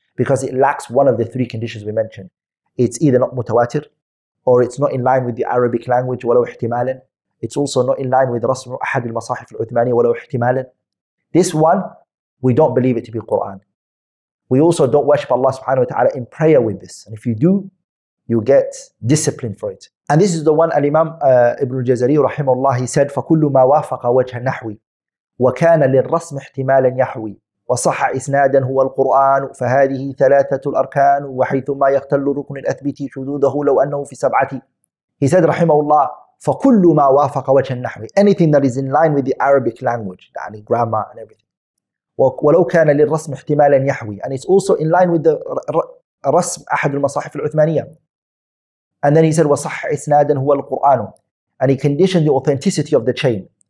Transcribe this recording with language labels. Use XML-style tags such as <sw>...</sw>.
<en>Because it lacks one of the three conditions we mentioned. It's either not mutawatir, or it's not in line with the Arabic language,</en> <ar>walaw ihtimalan.</ar> <en>It's also not in line with</en> <ar>rasm ahad al-masahif al-uthmani, walaw ihtimalan.</ar> <en>This one, we don't believe it to be Qur'an. We also don't worship Allah subhanahu wa ta'ala in prayer with this. And if you do, you get discipline for it. And this is the one Al-Imam Ibn al-Jazari rahimahullah, he said,</en> <ar>فَكُلُّ مَا وَافَقَ وَجْهَ النَّحْوِ وَكَانَ لِلرَّسْمِ احْتِمَالًا يَحْوِي وصح إسنادا هو القرآن فهذه ثلاثة الأركان وحيثما يختل ركن الأثبت شذوذه لو أنه في سبعة.</ar> <en>He said</en> <ar>رحمه الله فكل ما وافق وجه النحو,</ar> <en>anything that is in line with the Arabic language, يعني grammar and everything,</en> <ar>ولو كان للرسم احتمالا يحوي,</ar> <en>and it's also in line with the</en> <ar>رسم أحد المصاحف العثمانية.</ar> <en>And then he said</en> <ar>وصح إسنادا هو القرآن,</ar> <en>and he conditioned the authenticity of the chain.</en>